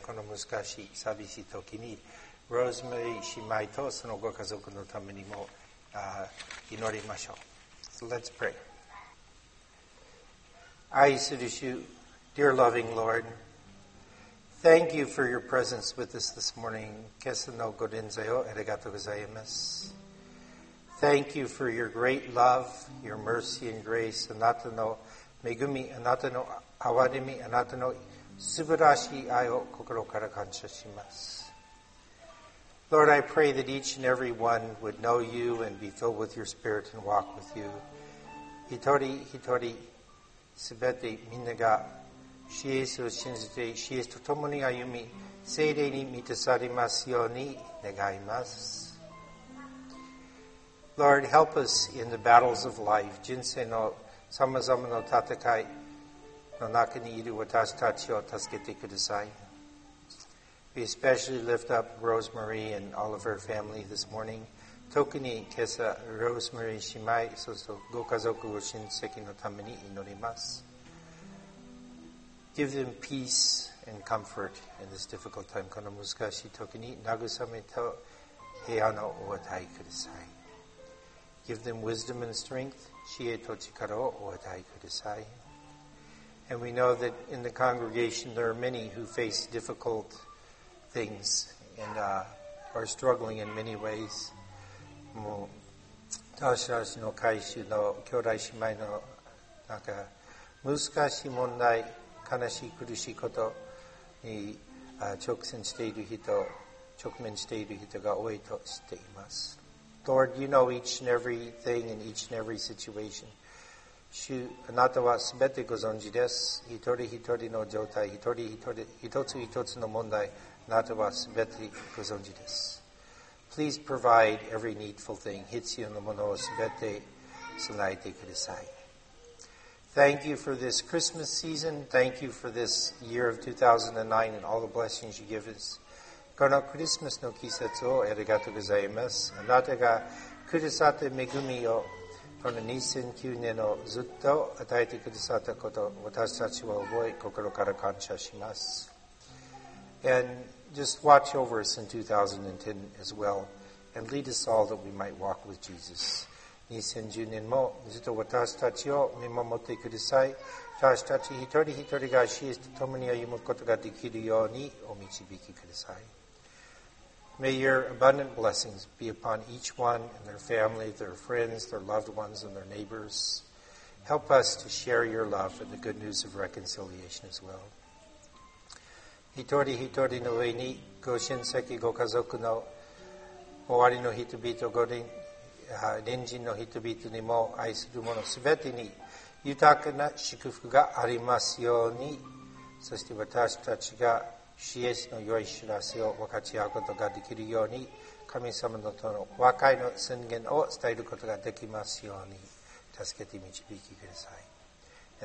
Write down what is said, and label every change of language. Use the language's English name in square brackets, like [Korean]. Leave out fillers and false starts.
[Japanese] この難しい寂しい時にローズマリー姉妹とそのご家族のためにも祈りましょう。 [English] So let's pray. [Japanese] 愛する主、 [English] Dear loving Lord, Thank you for your presence with us this morning. [Japanese] 今朝のご臨在をありがとうございます。 [English] Thank you for your great love, your mercy and grace. [Japanese] あなたの恵み、あなたの憐れみ、あなたの素晴らしい愛を心から感謝します。 [English] Lord, I pray that each and every one would know you and be filled with your spirit and walk with you. [Japanese] 一人一人、すべてみんなが、シエスを信じて、シエスと共に歩み、聖霊に満たされますように願います。 [English] Lord, help us in the battles of life, [Japanese] 人生のさまざまな戦い、の中にいる私たちを助けてください。 [English] We especially lift up Rosemary and all of her family this morning. [Japanese] 特に今朝、Rosemary 姉妹、そうそう、ご家族、ご親戚のために祈ります。 [English] Give them peace and comfort in this difficult time. [Japanese] この難しい時に慰めと平安をお与えください。 [English] Give them wisdom and strength, [Japanese] 知恵と力をお与えください。 [English] And we know that in the congregation there are many who face difficult things and、are struggling in many ways. [Japanese] もう私たちの会衆の兄弟姉妹のなんか難しい問題、悲しい苦しいことに、直面している人が多いと知っています。 [English] Lord, you know each and every thing in each and every situation. [Japanese] 主、あなたはすべてご存知です。一人一人の状態、一つ一つの問題、あなたはすべてご存知です。 [English] Please provide every needful thing, [Japanese] 必要なものをすべて備えてください。 [English] Thank you for this Christmas season. Thank you for this year of 2009 and all the blessings you give us. [Japanese] このクリスマスの季節をありがとうございます。あなたがくださって恵みをこの2009年をずっと与えてくださったこと、私たちは覚え、心から感謝します。 [English] And just watch over us in 2010 as well, and lead us all that we might walk with Jesus. [Japanese] 2010年もずっと私たちを見守ってください。私たち一人一人が死と共に歩むことができるようにお導きください。 [English] May your abundant blessings be upon each one and their family, their friends, their loved ones, and their neighbors. Help us to share your love and the good news of reconciliation as well. [Japanese] 一人一人の上に、ご親戚、ご家族の終わりの人々、ご隣人の人々にも愛するもの、すべてに豊かな祝福がありますように、そして私たちが、主イエスの良い知らせを分かち合うことができるように、神様のとの和解の宣言を伝えることができますように、助けて導きください。